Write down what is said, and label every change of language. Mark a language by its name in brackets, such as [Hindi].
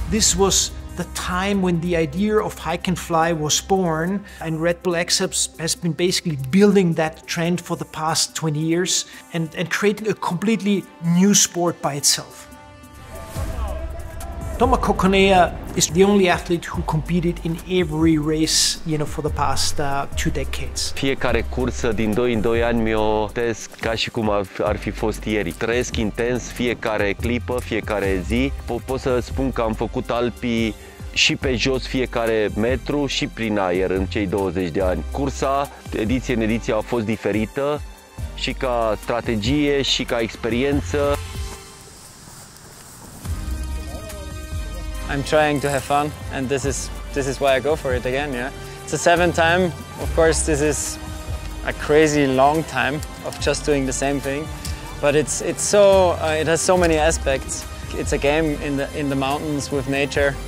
[English] This was the time when the idea of hike and fly was born, and Red Bull X-Alps has been basically building that trend for the past 20 years and creating a completely new sport by itself. Toma Kokonea is the only athlete who competed in every race, you know, for the past 2 decades. [Romanian] Fiecare cursă din 2 în 2 ani mi-o tesc ca și cum ar fi fost ieri. Trăiesc intens fiecare clipă, fiecare zi. Pot să spun că am făcut Alpii și pe jos fiecare metru și prin aer în cei 20 de ani. Cursa ediție în ediție a fost diferită și ca strategie și ca experiență. [English] I'm trying to have fun and this is why I go for it again, yeah. It's the 7th time. Of course, this is a crazy long time of just doing the same thing, but it has so many aspects. It's a game in the mountains with nature.